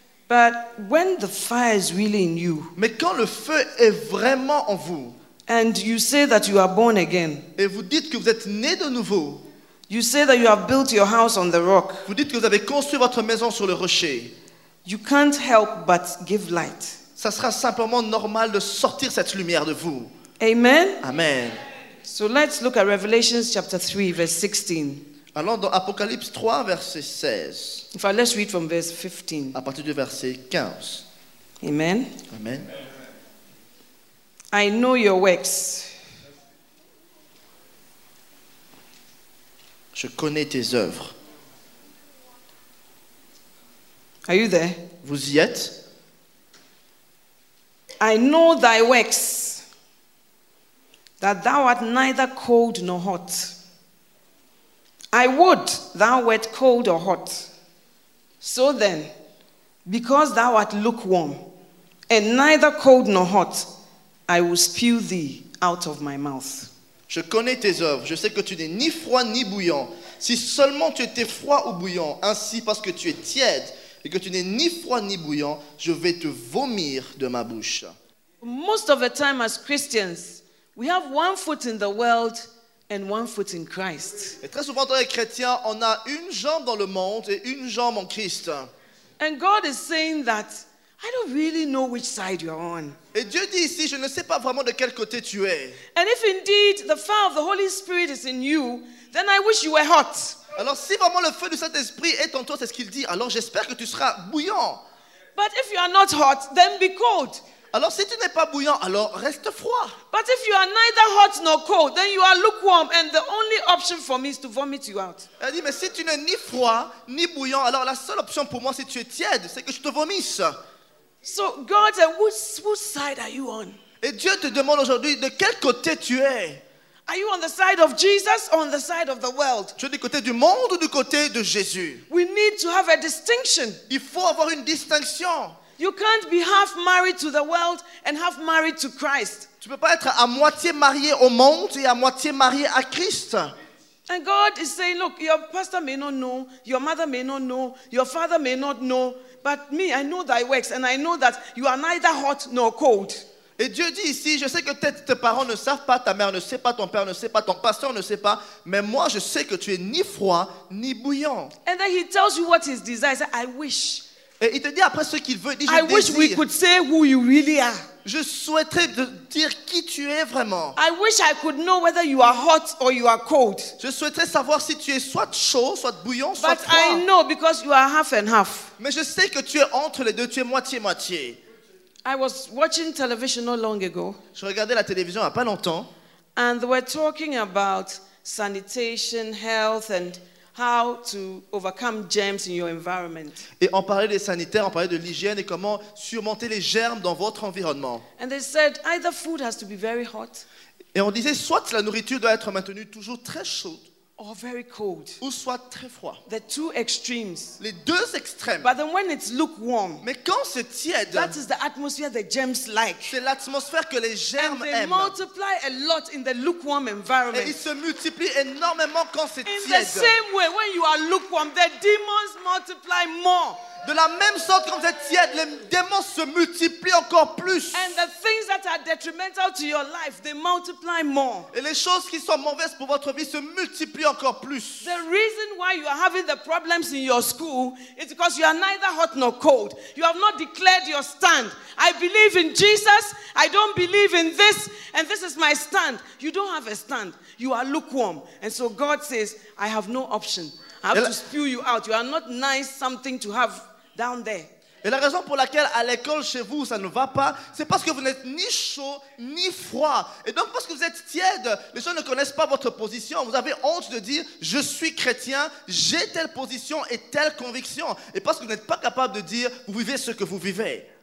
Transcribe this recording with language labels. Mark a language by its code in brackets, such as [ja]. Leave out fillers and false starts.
[en] But when the fire is really in you. [fr] Mais quand le feu est vraiment en vous. [en] And you say that you are born again. [fr] Et vous dites que vous êtes né de nouveau. [en] You say that you have built your house on the rock. [fr] Vous dites que vous avez construit votre maison sur le rocher. [en] You can't help but give light. [fr] Ça sera simplement normal de sortir cette lumière de vous. [en] Amen. [fr] Amen. [en] So let's look at Revelation chapter 3 verse 16. [fr] Allons dans Apocalypse 3 verset 16. [en] In fact, let's read from verse 15. [fr] À partir du verset 15. [en] Amen. [fr] Amen. [en] I know your works. [fr] Je connais tes œuvres. [en] Are you there? [fr] Vous y êtes? [en] I know thy works, that thou art neither cold nor hot. I would thou wert cold or hot. So then, because thou art lukewarm, and neither cold nor hot, I will spew thee out of my mouth. [fr] Je connais tes œuvres. Je sais que tu n'es ni froid ni bouillant. Si seulement tu étais froid ou bouillant, ainsi parce que tu es tiède et que tu n'es ni froid ni bouillant, je vais te vomir de ma bouche. [en] Most of the time as Christians, we have one foot in the world and one foot in Christ. [fr] Et très souvent dans les chrétiens, on a une jambe dans le monde et une jambe en Christ. [en] And God is saying that I don't really know which side you're on. [fr] Et Dieu dit ici, je ne sais pas vraiment de quel côté tu es. [en] And if indeed the fire of the Holy Spirit is in you, then I wish you were hot. [fr] Alors si vraiment le feu du Saint-Esprit est en toi, c'est ce qu'il dit, alors j'espère que tu seras bouillant. [en] But if you are not hot, then be cold. [fr] Alors si tu n'es pas bouillant, alors reste froid. [en] But if you are neither hot nor cold, then you are lukewarm and the only option for me is to vomit you out. [fr] Elle dit, mais si tu n'es ni froid ni bouillant, alors la seule option pour moi, si tu es tiède, c'est que je te vomisse. [en] So God said, whose side are you on? [fr] Et Dieu te demande aujourd'hui de quel côté tu es. [en] Are you on the side of Jesus or on the side of the world? [fr] Tu es du côté du monde ou du côté de Jésus? [en] We need to have a distinction. [fr] Il faut avoir une distinction. [en] You can't be half married to the world and half married to Christ. [fr] Tu peux pas être à moitié marié au monde et à moitié marié à Christ. [en] And God is saying, look, your pastor may not know, your mother may not know, your father may not know. But me, I know thy works, and I know that you are neither hot nor cold. [fr] Et Dieu dit ici, je sais que tes parents ne savent pas, ta mère ne sait pas, ton père ne sait pas, ton pasteur ne sait pas, mais moi je sais que tu es ni froid ni bouillant. [en] And then he tells you what his desire is. I wish. [fr] Et il te dit après ce qu'il veut. Il dit, [en] I wish we could say who you really are. [fr] Je souhaiterais de dire qui tu es vraiment. [en] I wish I could know whether you are hot or you are cold. [fr] Je souhaiterais savoir si tu es soit chaud, soit bouillant, [en] but [fr] soit froid. [en] But I know because you are half and half. [fr] Mais je sais que tu es entre les deux, tu es moitié moitié. [en] I was watching television not long ago. [fr] Je regardais la télévision il y a pas longtemps. [en] And they were talking about sanitation, health and how to overcome germs in your environment. [fr] Et on parlait des sanitaires, on parlait de l'hygiène et comment surmonter les germes dans votre environnement. [en] And they said either food has to be very hot. [fr] Et on disait soit la nourriture doit être maintenue toujours très chaude. [en] Or very cold. [fr] Ou soit très froid. [en] The two extremes. [fr] Les deux extrêmes. [en] But then when it's lukewarm. [fr] Mais quand c'est tiède. [en] That is the atmosphere the germs like. [fr] C'est l'atmosphère que les germes aiment. [en] And they multiply a lot in the lukewarm environment. [fr] Et ils se multiplient énormément quand c'est tiède. [en] In the same way, when you are lukewarm, the demons multiply more. [fr] De la même sorte, quand vous êtes tiède, les démons se multiplient encore plus. [en] And the things that are detrimental to your life, they multiply more. [fr] Et les choses qui sont mauvaises pour votre vie se multiplient encore plus. [en] The reason why you are having the problems in your school is because you are neither hot nor cold. You have not declared your stand. I believe in Jesus. I don't believe in this. And this is my stand. You don't have a stand. You are lukewarm. And so God says, I have no option. I have to spew you out. You are not nice something to have down there. [fr] Et la raison pour laquelle à l'école chez vous ça ne va pas, c'est parce que vous n'êtes ni chaud ni froid. Et donc parce que vous êtes tiède, les gens ne connaissent pas votre position. Vous avez honte de dire je suis chrétien, j'ai telle position et telle conviction. Et parce que vous n'êtes pas capable de dire vous vivez ce que vous vivez.